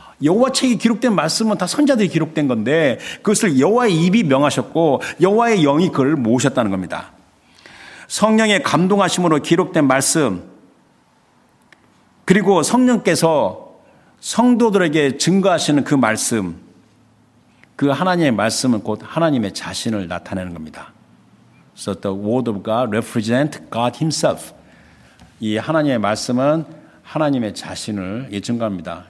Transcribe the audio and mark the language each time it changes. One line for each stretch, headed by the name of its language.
Korean: 여호와 책이 기록된 말씀은 다 선자들이 기록된 건데 그것을 여호와의 입이 명하셨고 여호와의 영이 그를 모셨다는 겁니다. 성령의 감동하심으로 기록된 말씀 그리고 성령께서 성도들에게 증거하시는 그 말씀 그 하나님의 말씀은 곧 하나님의 자신을 나타내는 겁니다.
English: So the word of God represents God himself.
Korean: 이 하나님의 말씀은 하나님의 자신을 증거합니다.